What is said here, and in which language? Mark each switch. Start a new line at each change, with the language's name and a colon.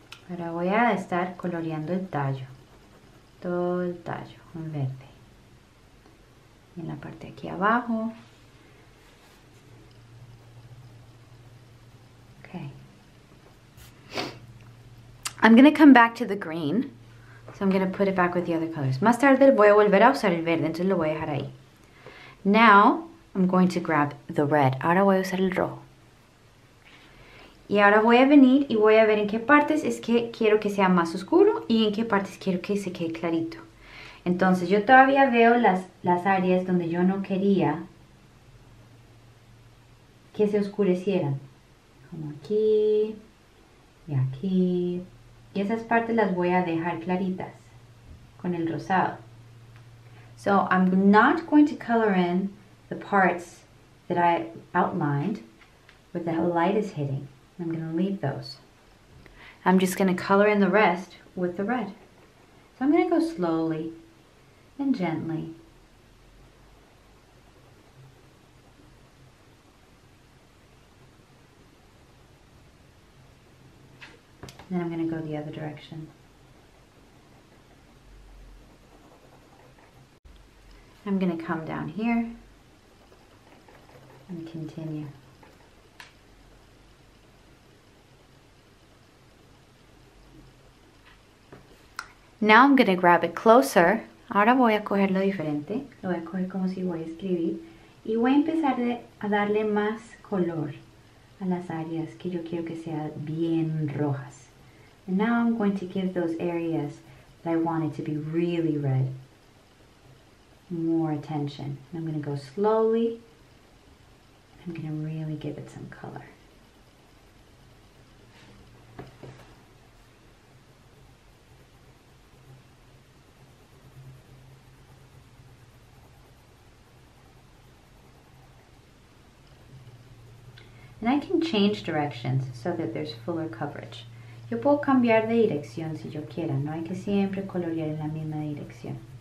Spanish: Ahora voy a estar coloreando el tallo. Todo el tallo en verde. Y en la parte aquí abajo. Okay.
English: I'm going to come back to the green, so I'm going to put it back with the other colors.
Spanish: Más tarde voy a volver a usar el verde, entonces lo voy a dejar ahí.
English: Now, I'm going to grab the red.
Spanish: Ahora voy a usar el rojo. Y ahora voy a venir y voy a ver en qué partes es que quiero que sea más oscuro y en qué partes quiero que se quede clarito. Entonces, yo todavía veo las áreas donde yo no quería que se oscurecieran. Como aquí y aquí. Y esas partes las voy a dejar claritas con el rosado.
English: So I'm not going to color in the parts that I outlined where the lightest hitting. I'm going to leave those. I'm just going to color in the rest with the red. So I'm going to go slowly and gently. Then I'm going to go the other direction. I'm going to come down here and continue. Now I'm going to grab it closer.
Spanish: Ahora voy a cogerlo diferente. Lo voy a coger como si voy a escribir. Y voy a empezar a darle más color a las áreas que yo quiero que sean bien rojas.
English: And now I'm going to give those areas that I wanted to be really red more attention. And I'm going to go slowly. And I'm going to really give it some color. And I can change directions so that there's fuller coverage.
Spanish: Yo puedo cambiar de dirección si yo quiera. No hay que siempre colorear en la misma dirección.